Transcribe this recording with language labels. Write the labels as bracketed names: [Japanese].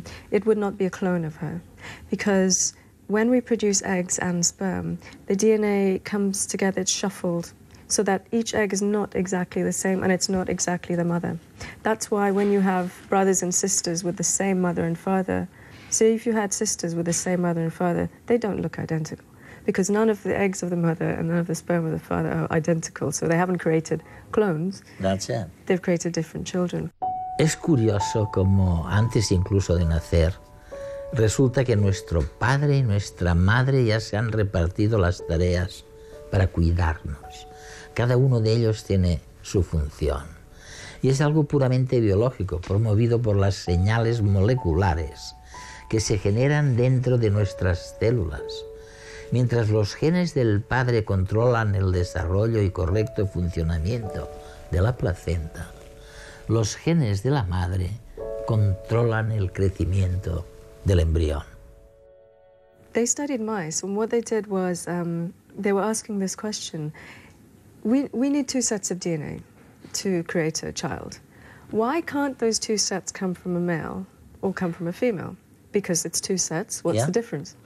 [English] it would not be a clone of her, because when we produce eggs and sperm, the DNA comes together, it's shuffled, so that each egg is not exactly the same and it's not exactly the mother. That's why when you have brothers and sisters with the same mother and father, see, if you had sisters with the same mother and father, they don't look identical, because none of the eggs of the mother and none of the sperm of the father are identical, so they haven't created clones. That's it. They've created different children. [Spanish] Es curioso como antes incluso de nacer, resulta que nuestro padre y nuestra madre ya se han repartido las tareas para cuidarnos. Cada uno de ellos tiene su función. Y es algo puramente biológico, promovido por las señales moleculares que se generan dentro de nuestras células. Mientras los genes del padre controlan el desarrollo y correcto funcionamiento de la placenta, los genes de la madre controlan el crecimiento del embrión. [English] They studied mice, and what they did was they were asking this question. We need two sets of DNA to create a child. Why can't those two sets come from a male or come from a female? Because it's two sets. What's the difference?